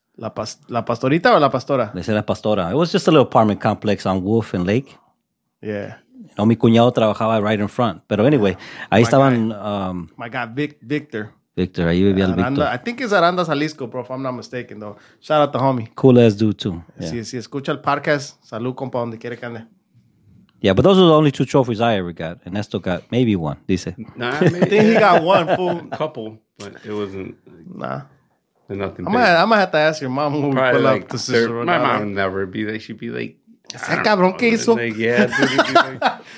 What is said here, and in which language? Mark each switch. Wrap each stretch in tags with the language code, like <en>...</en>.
<en>La Pastorita or La Pastora? They said La Pastora. It was just a little apartment complex on Wolf and Lake. Yeah. You know,</en> <es>mi cuñado trabajaba</es> <en>right in front.</en> <es>Pero</es> <en>anyway,</en> <es>ahí estaban.</es> <en>My guy, Victor.</en> <es>Victor, ahí vivía el Victor.</es> <en>I think it's Aranda Jalisco, bro, if I'm not mistaken, though. Shout out to homie. Cool ass dude, too. Yeah.</en> <es>Si escucha el podcast, salud, compa, donde quiere que ande.</es> <en>Yeah, but those are the only two trophies I ever got. And Ernesto got maybe one,</en> <es>dice.</es> <en>I think he got one, fool. Couple, but it wasn't. Nah. Nothing. I'm going to have to ask your mom when probably we pull like, up to sister. My mom would never be there. She'd be like,</en> <es>¿Ese cabrón que hizo?</es> <en>Like, yeah.</en>